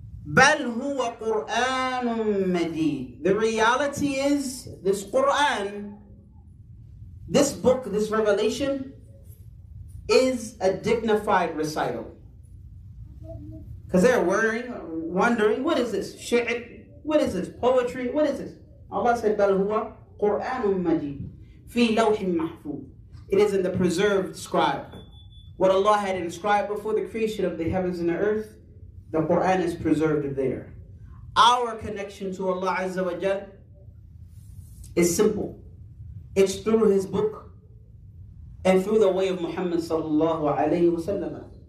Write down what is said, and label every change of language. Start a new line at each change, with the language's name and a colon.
Arabic: بَلْ هُوَ قُرْآنٌ مَجِيدٌ.
English: The reality is, this Qur'an, this book, this revelation, is a dignified recital. Because they're worrying, wondering, what is this? Shi'r? What is this? Poetry? What is this? Allah said,
Arabic: بَلْ هُوَ قُرْآنٌ مَجِيدٌ فِي لَوْحٍ مَحْفُوظٍ.
English: It is in the preserved scribe. What Allah had inscribed before the creation of the heavens and the earth, the Qur'an is preserved there. Our connection to Allah Azza wa Jal is simple. It's through His book and through the way of Muhammad sallallahu alayhi wa sallam.